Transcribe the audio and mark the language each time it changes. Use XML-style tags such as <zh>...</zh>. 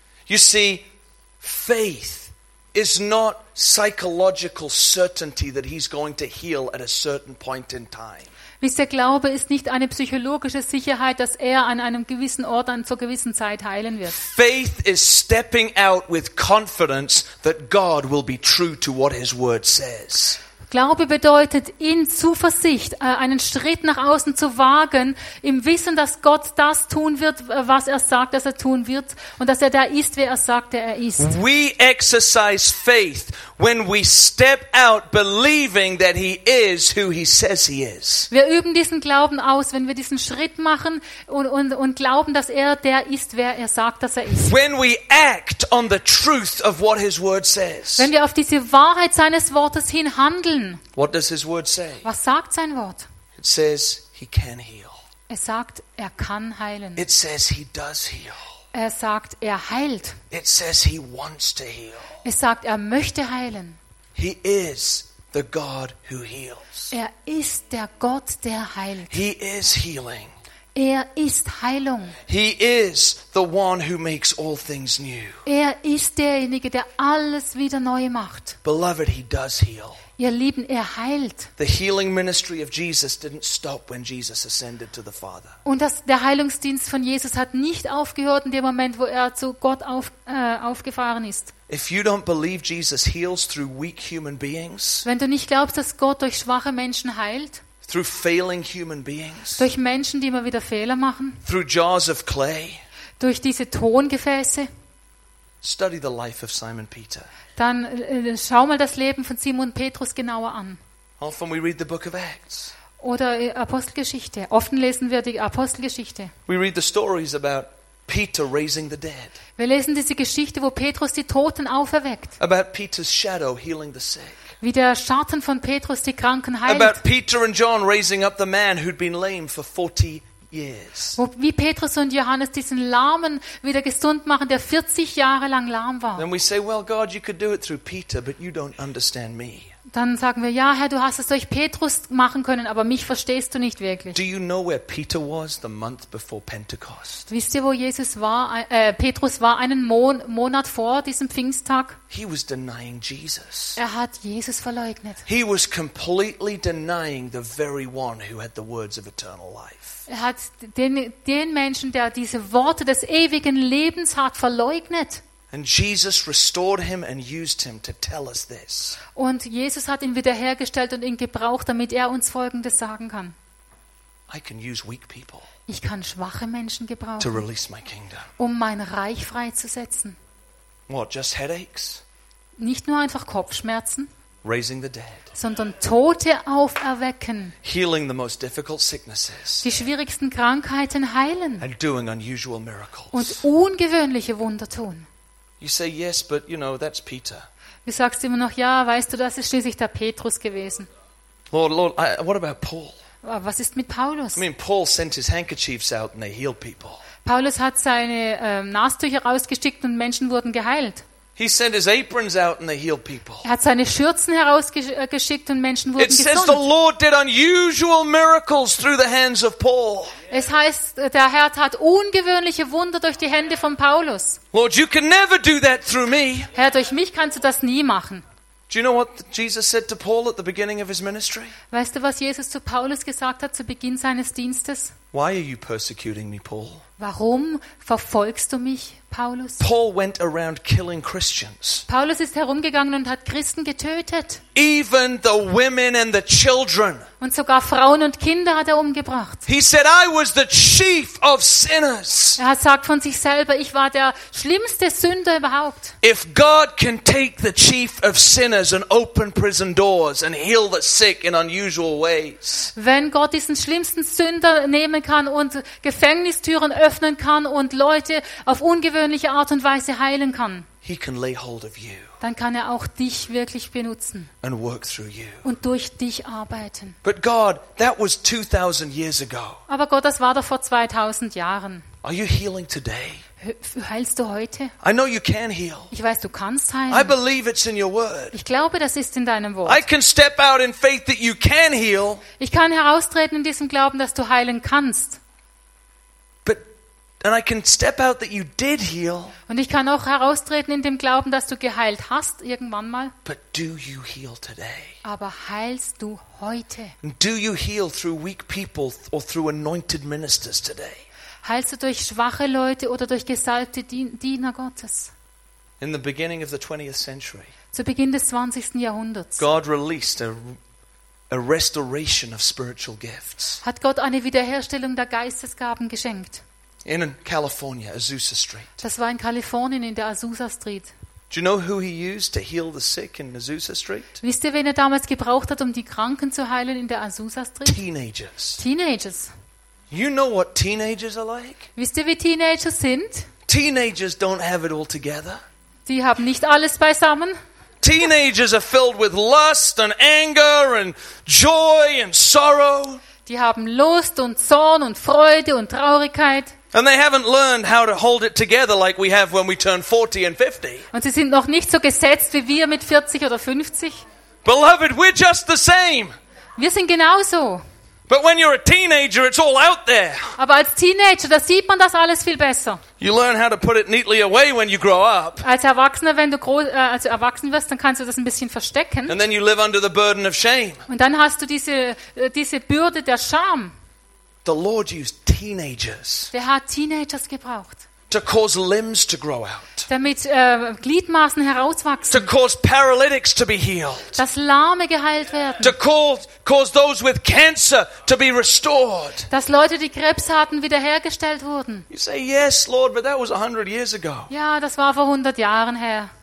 <en>You see, faith is not psychological certainty that he's going to heal at a certain point in time.</en> <de>Wisst ihr, Glaube ist nicht eine psychologische Sicherheit, dass er an einem gewissen Ort an zur gewissen Zeit heilen wird.</de> <en>Faith is stepping out with confidence that God will be true to what his word says.</en> <de>Glaube bedeutet, in Zuversicht einen Schritt nach außen zu wagen, im Wissen, dass Gott das tun wird, was er sagt, dass er tun wird, und dass er da ist, wer er sagt, der er ist.</de> <en>We exercise faith when we step out believing that he is who he says he is.</en> <de>Wir üben diesen Glauben aus, wenn wir diesen Schritt machen und glauben, dass er der ist, wer er sagt, dass er ist.</de> <en>When we act on the truth of what his word says.</en> <de>Wenn wir auf diese Wahrheit seines Wortes hin handeln.</de> <en>What does his word say?</en> <de>Was sagt sein Wort?</de> <en>It says he can heal.</en> <de>Es sagt, er kann heilen.</de> <en>It says he does heal.</en> <de>Er sagt, er heilt.</de> <en>It says he wants to heal.</en> <de>Es sagt, er möchte heilen.</de> <en>He is the God who heals.</en> <de>Er ist der Gott, der heilt.</de> <en>He is healing.</en> <de>Er ist Heilung.</de> <en>He is the one who makes all things new.</en> <de>Er ist derjenige, der alles wieder neu macht.</de> <en>Beloved, he does heal.</en> <de>Ihr Lieben, er heilt.</de> <en>The healing ministry of Jesus didn't stop when Jesus ascended to the Father.</en> <de>Und der Heilungsdienst von Jesus hat nicht aufgehört in dem Moment, wo er zu Gott aufgefahren ist.</de> <en>If you don't believe Jesus heals through weak human beings,</en> <de>wenn du nicht glaubst, dass Gott durch schwache Menschen heilt,</de> <en>through failing human beings,</en> <de>durch Menschen, die immer wieder Fehler machen,</de> <en>through jars of clay,</en> <de>durch diese Tongefäße,</de> <en>study the life of Simon Peter.</en> <de>Dann schau mal das Leben von Simon Petrus genauer an.</de> <en>Often we read the book of Acts.</en> <de>Oder Apostelgeschichte. Often lesen wir die Apostelgeschichte.</de> <en>We read the stories about Peter raising the dead.</en> <de>Wir lesen diese Geschichte, wo Petrus die Toten auferweckt.</de> <en>About Peter's shadow healing the sick.</en> <de>Wie der Schatten von Petrus die Kranken heilt.</de> <en>About Peter and John raising up the man who'd been lame for 40 years.</en> <de>Wie Petrus und Johannes diesen Lahmen wieder gesund machen, der 40 Jahre lang lahm war.</de> <en>Then we say, well, God, you could do it through Peter, but you don't understand me.</en> <de>Dann sagen wir, ja, Herr, du hast es durch Petrus machen können, aber mich verstehst du nicht wirklich.</de> <en>Do you know where Peter was the month before Pentecost?</en> <de>Wisst ihr, wo Jesus war? Petrus war einen Monat vor diesem Pfingsttag.</de> <en>He was denying Jesus.</en> <de>Er hat Jesus verleugnet.</de> <en>He was completely denying the very one who had the words of eternal life.</en> <de>Er hat den Menschen, der diese Worte des ewigen Lebens hat, verleugnet.</de> <en>And Jesus restored him and used him to tell us this.</en> <de>Und Jesus hat ihn wiederhergestellt und ihn gebraucht, damit er uns Folgendes sagen kann.</de> <en>I can use weak people.</en> <de>Ich kann schwache Menschen gebrauchen.</de> <en>To release my kingdom.</en> <de>Um mein Reich freizusetzen.</de> <en>What, just headaches?</en> <de>Nicht nur einfach Kopfschmerzen.</de> <en>Raising the dead.</en> <de>Sondern Tote auferwecken.</de> <en>Healing the most difficult sicknesses.</en> <de>Die schwierigsten Krankheiten heilen.</de> <en>And doing unusual miracles.</en> <de>Und ungewöhnliche Wunder tun.</de> <en>You say yes, but you know that's Peter.</en> <de>Du sagst immer noch ja, weißt du, das ist schließlich der Petrus gewesen.</de> <en>Lord, what about Paul?</en> <de>Was ist mit Paulus?</de> <en>I mean, Paul sent his handkerchiefs out and they healed people.</en> <de>Paulus hat seine Nasentücher rausgeschickt und Menschen wurden geheilt.</de> <en>He sent his aprons out and they healed people.</en> <de>Er hat seine Schürzen herausgeschickt und Menschen wurden gesund.</de> <en>It says the Lord did unusual miracles through the hands of Paul.</en> <de>Es heißt, der Herr tat ungewöhnliche Wunder durch die Hände von Paulus.</de> <en>Lord, you can never do that through me.</en> <de>Herr, durch mich kannst du das nie machen.</de> <en>Do you know what Jesus said to Paul at the beginning of his ministry?</en> <de>Weißt du, was Jesus zu Paulus gesagt hat zu Beginn seines Dienstes?</de> <en>Why are you persecuting me, Paul?</en> <de>Warum verfolgst du mich, Paulus?</de> <en>Paul went around killing Christians.</en> <de>Paulus ist herumgegangen und hat Christen getötet.</de> <en>Even the women and the children.</en> <de>Und sogar Frauen und Kinder hat er umgebracht.</de> <en>He said, I was the chief of sinners.</en> <de>Er sagt von sich selber, ich war der schlimmste Sünder überhaupt.</de> <en>If God can take the chief of sinners and open prison doors and heal the sick in unusual ways.</en> <de>Wenn Gott diesen schlimmsten Sünder nehmen kann und Gefängnistüren öffnen kann und Leute auf ungewöhnliche Art und Weise heilen kann.</de> <en>He can lay hold of you.</en> <de>Dann kann er auch dich wirklich benutzen</de> <en>and work through you.</en> <de>Und durch dich arbeiten.</de> <en>But God, that was 2000 years ago.</en> <de>Aber Gott, das war doch vor 2000 Jahren.</de> <en>Are you healing today?</en> <de>Heilst du heute?</de> <en>I know you can heal.</en> <de>Ich weiß, du kannst heilen.</de> <en>I believe it's in your word.</en> <de>Ich glaube, das ist in deinem Wort.</de> <en>I can step out in faith that you can heal.</en> <de>Ich kann heraustreten in diesem Glauben, dass du heilen kannst.</de> <en>And I can step out that you did heal.</en> <de>Und ich kann auch heraustreten in dem Glauben, dass du geheilt hast irgendwann mal.</de> <en>But do you heal today?</en> <de>Aber heilst du heute?</de> <en>Do you heal through weak people or through anointed ministers today?</en> <de>Heilst du durch schwache Leute oder durch gesalbte Diener Gottes?</de> <en>In the beginning of the 20th century.</en> <de>Zu Beginn des 20. Jahrhunderts.</de> <en>God released a restoration of spiritual gifts.</en> <de>Hat Gott eine Wiederherstellung der Geistesgaben geschenkt?</de> <en>In California, Azusa Street.</en> <de>Das war in Kalifornien in der Azusa Street.</de> <en>Do you know who he used to heal the sick in Azusa Street?</en> <de>Wisst ihr, wen er damals gebraucht hat, um die Kranken zu heilen in der Azusa Street?</de> <en>Teenagers.</en> <de>Teenagers.</de> <en>You know what teenagers are like?</en> <de>Wisst ihr, wie Teenagers sind?</de> <en>Teenagers don't have it all together.</en> <de>Die haben nicht alles beisammen.</de> <en>Teenagers are filled with lust and anger and joy and sorrow.</en> <de>Die haben Lust und Zorn und Freude und Traurigkeit.</de> <en>And they haven't learned how to hold it together like we have when we turn 40 and 50.</en> <de>Und sie sind noch nicht so gesetzt wie wir mit 40 oder 50.</de> <en>Beloved, we're just the same.</en> <de>Wir sind genauso.</de> <en>But when you're a teenager, it's all out there.</en> <de>Aber als Teenager, da sieht man das alles viel besser.</de> <en>You learn how to put it neatly away when you grow up.</en> <de>Als Erwachsener, wenn du als erwachsen wirst, dann kannst du das ein bisschen verstecken.</de> <en>And then you live under the burden of shame.</en> <de>Und dann hast du diese Bürde der Scham.</de> <en>The Lord used teenagers.</en> <de>Wer hat Teenagers gebraucht?</de> <en>To cause limbs to grow out.</en> <de>Damit Gliedmaßen herauswachsen.</de> <en>To cause paralytics to be healed.</en> <de>Dass Lahme geheilt werden.</de> <en>To cause those with cancer to be restored.</en> <de>Dass Leute, die Krebs hatten, wiederhergestellt wurden.</de> <en>You say yes, Lord, but that was 100 years ago.</en> <de>Ja, das war vor 100 Jahren her.</de>